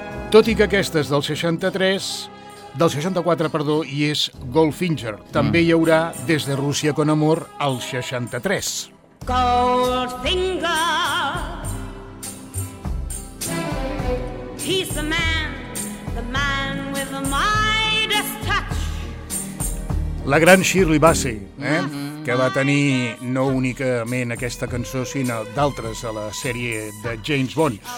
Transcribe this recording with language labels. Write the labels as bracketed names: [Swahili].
[Catalan] Tot i que aquesta és del 64, i és Goldfinger. També hi haurà Des de Rússia con amor, el 63. [English] Goldfinger, he's the man with the Midas touch. [Catalan] La gran Shirley Bassey, que va tenir no únicament aquesta cançó, sinó d'altres a la sèrie de James Bond.